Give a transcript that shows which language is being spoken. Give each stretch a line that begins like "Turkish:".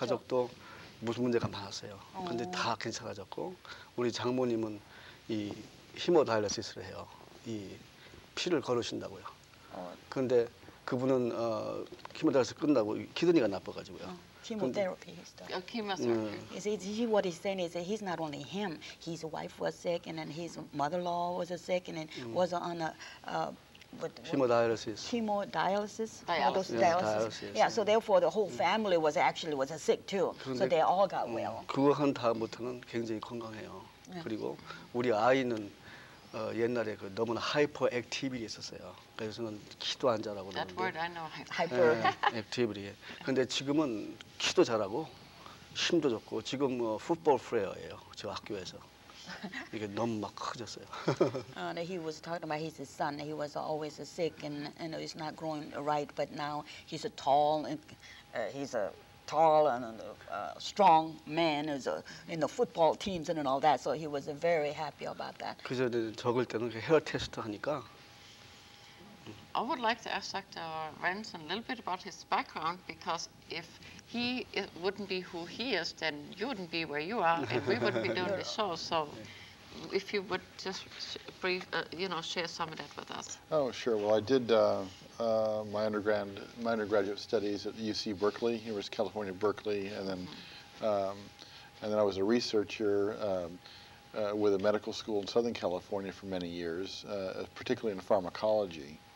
Korean: 가족도 무슨 문제가 많았어요. 근데 다 괜찮아졌고 우리 장모님은 이 히모다이얼리시스를 해요. 이 피를 거르신다고요. 그런데 그분은 히모다이얼리시스 끝나고 키드니가 나빠가지고요.
English: Chemotherapy. Is he what he's saying is that he's not only him. His wife was sick, and then his mother-in-law was sick, and then was on a hemodialysis. Hemodialysis. Dialysis. Yeah. So therefore, the whole family was actually was sick too. So they all got well.
Korean: 그거 한 다음부터는 굉장히 건강해요. 그리고 우리 아이는 옛날에 그 너무나 hyperactivity 있었어요. 그래서는 키도 안 자라고
English: That
Korean: 그러는데.
English: word I know.
Korean: Hyperactivity. 근데 지금은 키도 자라고 힘도 좋고 지금 뭐 football player예요. 저 학교에서. 이게 너무 막 커졌어요.
English: he was talking about his son. He was always sick and you know he's not growing right but now he's a tall and he's a tall and strong man is in the football teams and all that. So he was very happy about that.
Korean: 그저 적을 때는 헤어 테스트 하니까.
English: I would like to ask Dr. Lorenzen a little bit about his background because if he wouldn't be who he is, then you wouldn't be where you are, and we wouldn't be doing the show. So, if you would just brief, you know, share some of that with us. Oh, sure. Well, I did my undergraduate studies at UC Berkeley, University of California, Berkeley, and then I was a researcher with a medical school in Southern California for many years, particularly in pharmacology.